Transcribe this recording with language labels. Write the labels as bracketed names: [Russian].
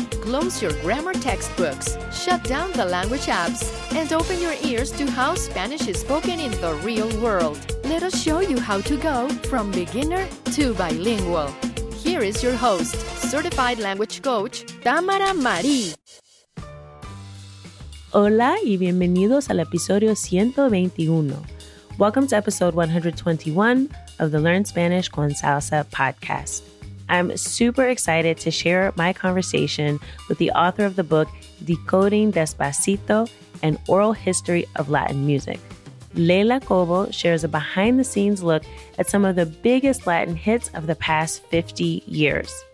[English] Close your grammar textbooks, shut down the language apps, and open your ears to how Spanish is spoken in the real world. Let us show you how to go from beginner to bilingual. Here is your host, certified language coach, Tamara Mari. [Spanish] Hola y bienvenidos al episodio 121. [English] Welcome to episode 121 of the Learn Spanish con Salsa podcast. I'm super excited to share my conversation with the author of the book Decoding Despacito, An Oral History of Latin Music. Leila Cobo shares a behind-the-scenes look at some of the biggest Latin hits of the past 50 years.